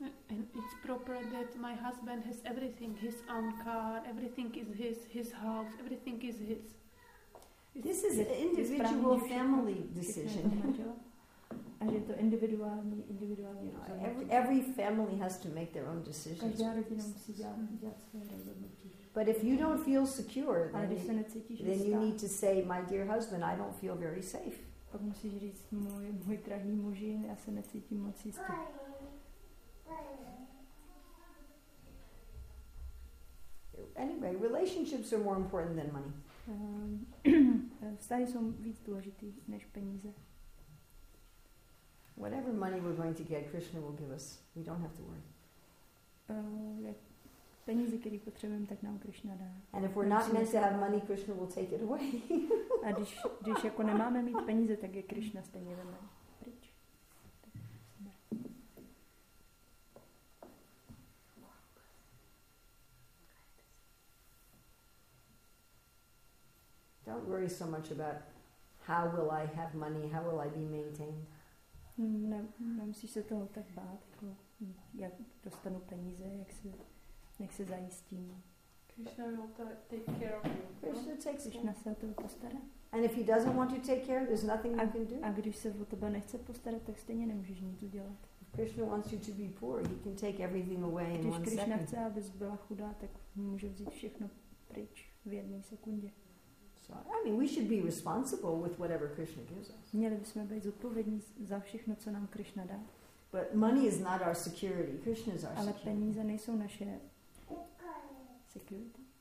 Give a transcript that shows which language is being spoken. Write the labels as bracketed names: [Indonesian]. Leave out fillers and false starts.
[English] And it's proper that my husband has everything, his own car, everything is his house, everything is his. This is an individual family decision. [Czech] A je to individuální rozhodnutí. [English] Every family has to make their own decisions. [Czech] Každá rodina musí dělat své rozhodnutí. [English] But if you don't feel secure, then you need to say, my dear husband, I don't feel very safe. [Czech] Pak musíš říct, můj drahý muži, já se necítím moc jistě. [English] Anyway, relationships are more important than money. [Czech] Vztahy jsou víc důležitý než peníze. [English] Whatever money we're going to get, Krishna will give us. We don't have to worry. [Czech] Peníze, které potřebujeme, tak nám Krishna dá. [English] And if we're not meant to have money, Krishna will take it away. [Czech] A když jako nemáme mít peníze, tak je Krishna stejně vezme. [English] Don't worry so much about how will I have money, how will I be maintained. [Czech] Nemusíš se toho tak bát, jako jak dostanu peníze, jak se zajistím. [English] Krishna will take care of you. Krishna takes care. [Czech] Krishna se o tebe postará. [English] And if he doesn't want you to take care, there's nothing you can do. [Czech] A když se o tebe nechce postarat, tak stejně nemůžeš nic udělat. [English] If Krishna wants you to be poor, he can take everything away in one second. [Czech] Když Krishna chce, abys byla chudá, tak může vzít všechno pryč v jedné sekundě. [English] So, I mean, we should be responsible with whatever Krishna gives us. [Czech] Měli bychom být zodpovědní za všechno, co nám Krishna dá. [English] But money is not our security. Krishna is our [Czech] ale [English] security. [Czech] Ale peníze nejsou naše security.